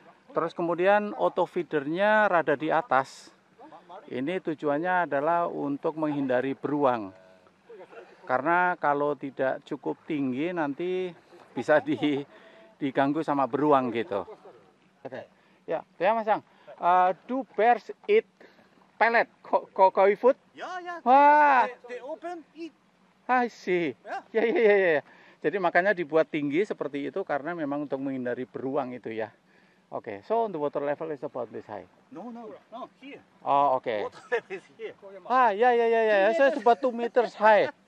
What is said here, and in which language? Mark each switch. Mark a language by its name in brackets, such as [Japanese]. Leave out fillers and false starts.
[Indonesian] Terus kemudian auto feedernya rada di atas. Ini tujuannya adalah untuk menghindari beruang. Karena kalau tidak cukup tinggi nanti bisa diganggu sama beruang gitu. Ya, ya Mas Yang. [English] Do bears eat pellet koi food? Ya, ya. Wah. They open eat. I see. Ya, ya, ya, ya. [Indonesian] Jadi makanya dibuat tinggi seperti itu karena memang untuk menghindari beruang itu ya. [English] Oke, okay. So the water level is about this high. No, here. Oh, oke. Water level is here. Ah, ya, ya, ya, ya. So it's about 2 meters high.